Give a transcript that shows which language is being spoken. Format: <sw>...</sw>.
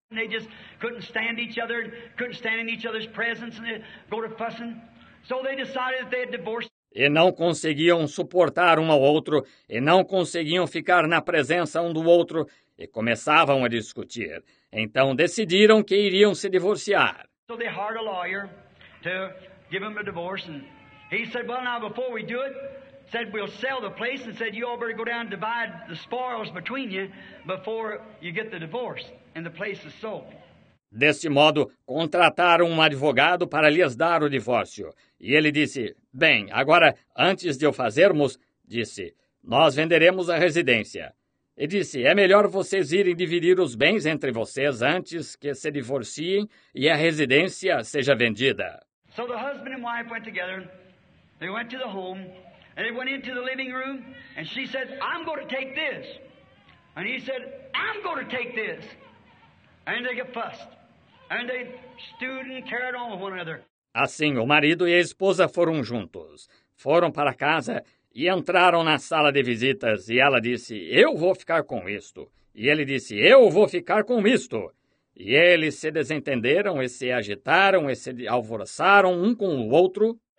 <en>They just couldn't stand each other, couldn't stand in each other's presence, and they go to fussing. So they decided that they had divorced.</en> <pt>E não conseguiam suportar ao outro, e não conseguiam ficar na presença do outro, e começavam a discutir. Então decidiram que iriam se divorciar.</pt> <en>So they hired a lawyer to give him a divorce, and he said, well, now before we do it, said we'll sell the place, and said you all better go down and divide the spoils between you before you get the divorce, and the place is sold.</en> <pt>Deste modo, contrataram advogado para lhes dar o divórcio. E ele disse, bem, agora, antes de o fazermos, disse, nós venderemos a residência. E disse, é melhor vocês irem dividir os bens entre vocês antes que se divorciem e a residência seja vendida.</pt> <en>So the husband and wife went together. They went to the home. And they went into the living room, and she said, I'm going to take this. And he said, I'm going to take this. And they get fussed. And they stewed and carried on with one another.</en> <pt>Assim, o marido e a esposa foram juntos. Foram para casa e entraram na sala de visitas, e ela disse, eu vou ficar com isto. E ele disse, eu vou ficar com isto. E eles se desentenderam e se agitaram e se alvoroçaram um com o outro.</pt>